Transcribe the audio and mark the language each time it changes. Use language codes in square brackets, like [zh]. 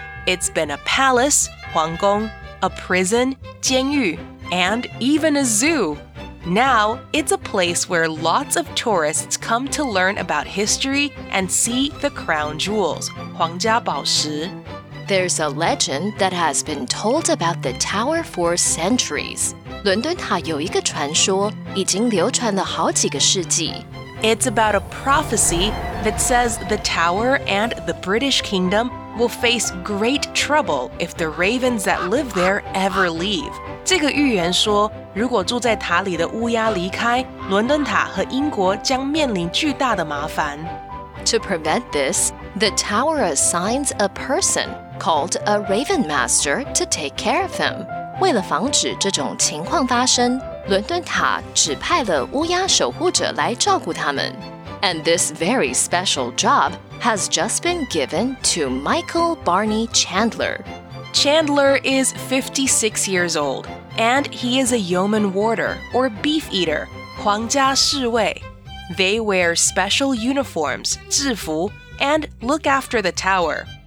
[en] It's been a palace, 皇宫, a prison, 监狱, and even a zoo. Now, it's a place where lots of tourists come to learn about history and see the crown jewels, 皇家宝石. There's a legend that has been told about the tower for centuries. [zh] 伦敦塔有一个传说已经流传了好几个世纪. [en] It's about a prophecy that says the tower and the British kingdom will face great trouble if the ravens that live there ever leave. [zh] 这个预言说，如果住在塔里的乌鸦离开，伦敦塔和英国将面临巨大的麻烦。 [en] To prevent this, the tower assigns a person called a Raven Master to take care of him. [zh] 为了防止这种情况发生，伦敦塔指派了乌鸦守护者来照顾他们。 [en] And this very special job has just been given to Michael Barney Chandler. Chandler is 56 years old, and he is a yeoman warder, or beef eater, 皇家侍卫. They wear special uniforms, 制服, and look after the tower.